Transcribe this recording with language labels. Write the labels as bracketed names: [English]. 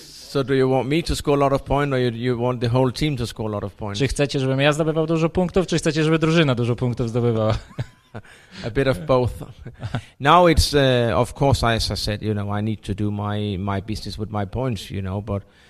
[English] So do you want me to score a lot of points, or you want the whole team to score a lot of points? [Polish] Czy chcecie, żebym ja zdobywał dużo punktów, czy chcecie, żeby drużyna dużo punktów zdobywała? [English] A bit of both. Now it's, of course, as I said, you know, I need to do my business with my points, you know, but...